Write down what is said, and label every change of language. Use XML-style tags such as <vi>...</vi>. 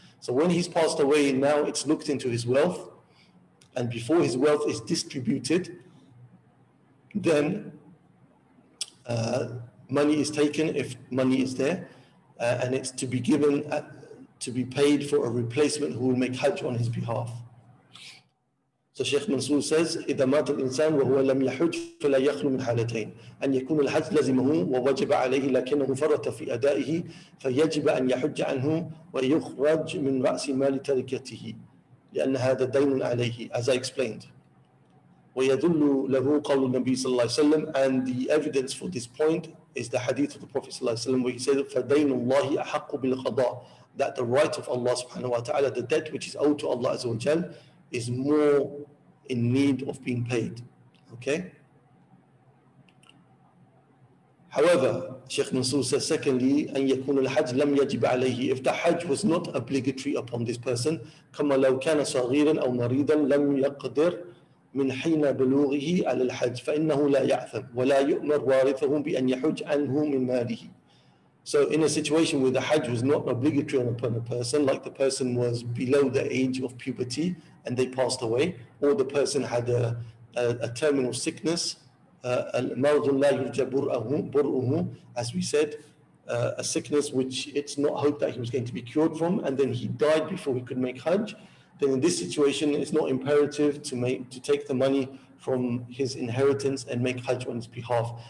<en>So when he's passed away, now it's looked into his wealth, and before his wealth is distributed, then money is taken, if money is there, and it's to be given at, to be paid for a replacement who will make Hajj on his behalf. So Sheikh Mansour says,</en> <ar>إِذَا مَاتَ الْإِنسَانُ وَهُوَ لَمْ يَحُجْ فَلَا يَخْلُ مِنْ حَالَتَيْنِ أَنْ يَكُونُ الْحَجْ لَزِمَهُ وَوَجَبَ عَلَيْهِ لَكِنَّهُ فَرَّطَ فِي أَدَائِهِ فَيَجِبَ أَنْ يَحُجَّ عَنْهُ وَيُخْرَجْ مِنْ رَأْسِ مَالِ تَرِكَتِهِ لِأَنَّ هَذَا دَيْنٌ عَلَيْهِ,</ar> <en>as I explained.</en> <ar>وَيَدُلُّ لَهُ قَوْلُ النَّبِيِّ صَلَّى اللَّهِ عَلَيْهِ وَسَلَّمَ,</ar> <en>and the evidence for this point is the hadith of the Prophet صلى الله عليه وسلم, where he said,</en> <ar>فَدَيْنُ اللَّهِ أَحَقُّ بِالْقَضَاءِ,</ar> <en>that the right of Allah subhanahu wa ta'ala, the debt which is owed to Allah azza wa jal, is more in need of being paid. Okay? However, Sheikh Mansour says, secondly,</en> <ar>أَنْ يَكُونُ الْحَجْ لَمْ يَجِبْ عَلَيْهِ,</ar> <en>if the Hajj was not obligatory upon this person,</en> <ar>كَمَا لَوْ كَانَ صَغِيرًا أَوْ مَرِيدًا لَمْ يَقْدِرْ مِنْ حِينَ بُلُوغِهِ عَلَى الْحَجْ فَإِنَّهُ لَا يَعْثَمْ وَلَا يُؤْمَرْ وَارِثَهُمْ بِأَنْ يَحُجْ عَنْهُ مِنْ مَالِهِ.</ar> <en>So in a situation where the Hajj was not obligatory upon a person, like the person was below the age of puberty and they passed away, or the person had a terminal sickness,</en> <ar>المَرْضٌ لَا يُرْجَ بُرْءُهُ,</ar> <en>as we said, a sickness which it's not hoped that he was going to be cured from, and then he died before he could make Hajj, then in this situation, it's not imperative to take the money from his inheritance and make Hajj on his behalf.</en>